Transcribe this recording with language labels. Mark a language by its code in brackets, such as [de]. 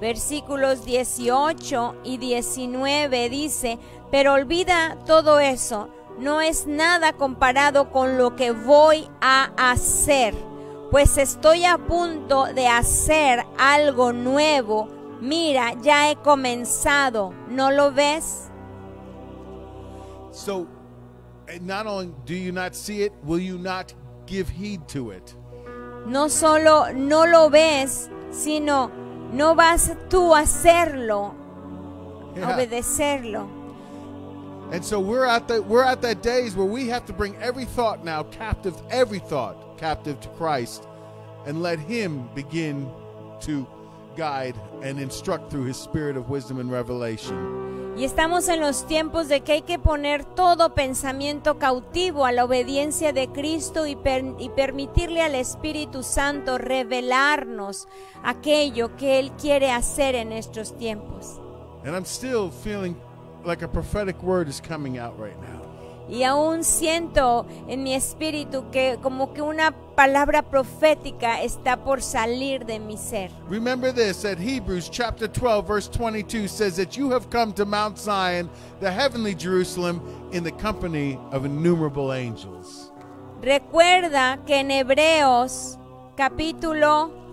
[es] Versículos 18 y 19 dice, "Pero olvida todo eso. No es nada comparado con lo que voy a hacer, pues estoy a punto de hacer algo nuevo. Mira, ya he comenzado, ¿no lo ves?" [en] So, not only do you not see it, will you not give heed to it? [es] No solo no lo ves, sino no vas tú a hacerlo, yeah. Obedecerlo. [en] And so we're at that days where we have to bring every thought now captive, every thought captive to Christ, and let Him begin to guide and instruct through His Spirit of wisdom and revelation. [es] Y estamos en los tiempos de que hay que poner todo pensamiento cautivo a la obediencia de Cristo y permitirle al Espíritu Santo revelarnos aquello que Él quiere hacer en estos tiempos. [en] And I'm still feeling like a prophetic word is coming out right now. [es] Y aún siento en mi espíritu que como que una palabra profética está por salir de mi ser. [en] Remember this, that Hebrews chapter 12 verse 22 says that you have come to Mount Zion, the heavenly Jerusalem, in the company of innumerable angels. [es] Recuerda que en Hebreos capítulo